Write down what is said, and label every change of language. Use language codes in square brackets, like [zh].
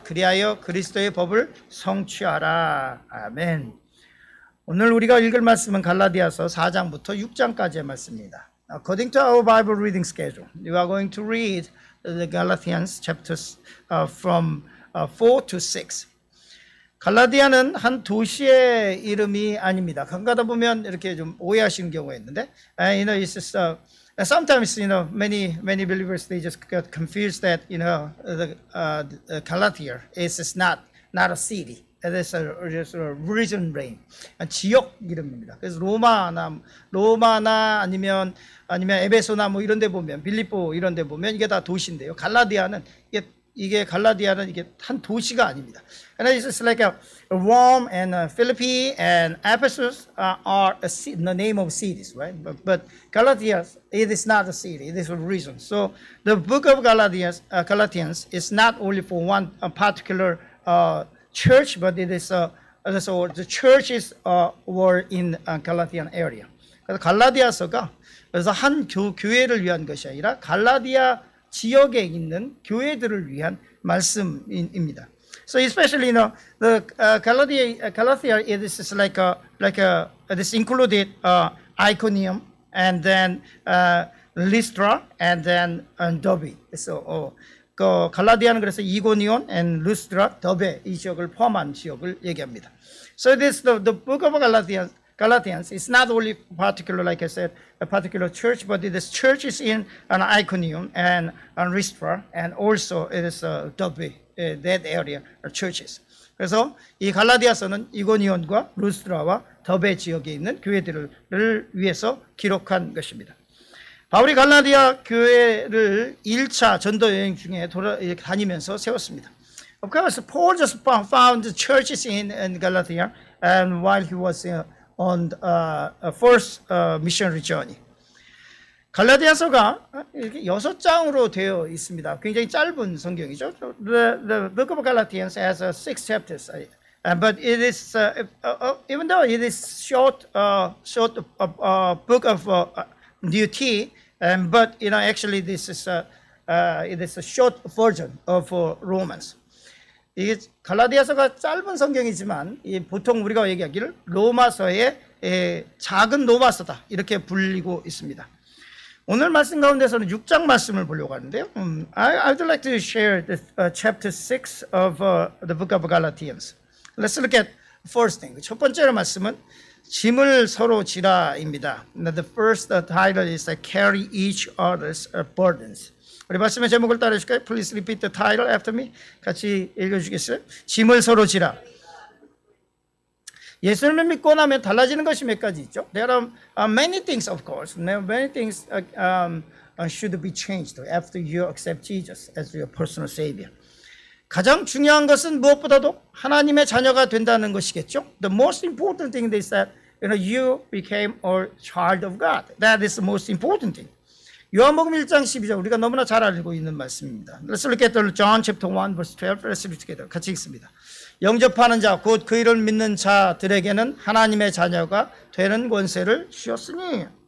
[ko] 그리하여 그리스도의 법을 성취하라. 아멘. 오늘 우리가 읽을 말씀은 갈라디아서 4장부터 6장까지의 말씀입니다. [en] According to our Bible reading schedule, you are going to read the Galatians chapters from 4 to 6. [ko] 갈라디아는 한 도시의 이름이 아닙니다. 가다 보면 이렇게 좀 오해하시는 경우가 있는데, [en] you know, it's just, sometimes you know many believers they just get confused that you know the Galatia is not a city, it's just a region name, [ko] 지역 이름입니다. 그래서 로마나 아니면 에베소나 뭐 이런데 보면 빌립보 이런데 보면 이게 다 도시인데요. 갈라디아는 이게 이게 갈라디아는 이게 한 도시가 아닙니다. [en] And it's like Rome and Philippi and Ephesus are the name of cities, right? But Galatia, it is not a city. It is a region. So the book of Galatians is not only for one particular church, but it is so the churches were in Galatian area. [ko] 그래서 갈라디아서가 그래서 한 교회를 위한 것이 아니라 갈라디아 지역에 있는 교회들을 위한 말씀입니다. [en] So especially, you know, the Galatia it is just like this included Iconium and then Lystra and then Derbe. So, [ko] 그 갈라디아는 그래서 이고니온 and Lystra, Derbe 이 지역을 포함한 지역을 얘기합니다. [en] So this the book of Galatians is not only particular, like I said, a particular church, but it is churches in an Iconium and an Lystra, and also it is a Derbe, that area, churches. [ko] 그래서 이 갈라디아서는 이고니온과 루스트라와 더베 지역에 있는 교회들을 위해서 기록한 것입니다. 바울이 갈라디아 교회를 1차 전도 여행 중에 다니면서 세웠습니다. [en] Of course, Paul just found churches in Galatia, and while he was on the first missionary journey. [ko] 갈라디아서가 이렇게 여섯 장으로 되어 있습니다. 굉장히 짧은 성경이죠. [en] The book of Galatians has six chapters. But it is even though it is short book of DUT, but you know actually this is it is a short version of Romans. [ko] 이 갈라디아서가 짧은 성경이지만 보통 우리가 얘기하기를 로마서의 작은 로마서다 이렇게 불리고 있습니다. 오늘 말씀 가운데서는 6장 말씀을 보려고 하는데요. [en] I would like to share the chapter 6 of the book of Galatians. Let's look at first thing. [ko] 첫 번째로 말씀은 짐을 서로 지라입니다. [en] The first title is carry each other's burdens. [ko] 우리 말씀의 제목을 따라주실까요? [en] Please repeat the title after me. [ko] 같이 읽어주겠어요? 짐을 서로 지라. 예수님을 믿고 나면 달라지는 것이 몇 가지 있죠? [en] There are many things, of course. Many things should be changed after you accept Jesus as your personal savior. [ko] 가장 중요한 것은 무엇보다도 하나님의 자녀가 된다는 것이겠죠? [en] The most important thing is that you know you became a child of God. That is the most important thing. [ko] 요한복음 1장 12절 우리가 너무나 잘 알고 있는 말씀입니다. [en] Let's look at John chapter 1 verse 12. Let's read together. [ko] 같이 읽습니다. 영접하는 자, 곧 그 이름을 믿는 자들에게는 하나님의 자녀가 되는 권세를 주셨으니.